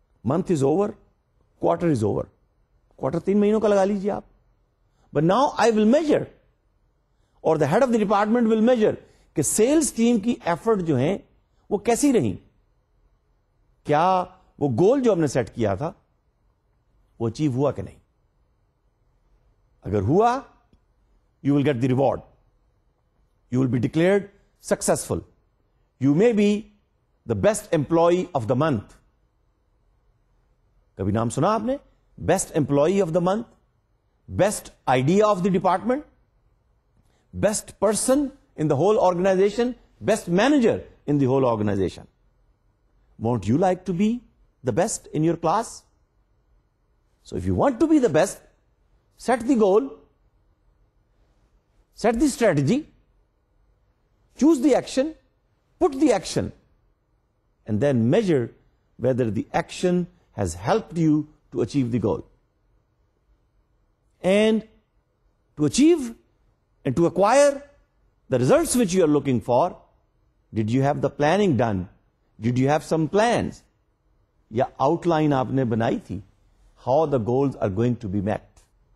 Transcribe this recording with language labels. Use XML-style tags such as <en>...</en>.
<en>month is over, quarter is over,</en> <ur>quarter 3 مہینوں کا لگا لیجیے آپ.</ur> <en>but now I will measure,</en> <ur>اور the head of the department will measure کہ سیلس ٹیم کی ایفرٹ جو ہیں وہ کیسی رہی, کیا وہ گول جو ہم نے سیٹ کیا تھا وہ اچیو ہوا کہ نہیں. اگر ہوا,</ur> <en>You will get the reward, you will be declared successful, you may be the best employee of the month.</en> <ur>کبھی نام سنا آپ نے</ur> <en>Best employee of the month, best idea of the department, best person in the whole organisation, best manager in the whole organisation. Want you like to be the best in your class? So if you want to be the best, set the goal, set the strategy, choose the action, put the action, and then measure whether the action has helped you to achieve the goal. And to achieve and to acquire the results which you are looking for, did you have the planning done? Did you have some plans?</en> <ur>Ya outline aapne banayi thi,</ur> <en>how the goals are going to be met.</en>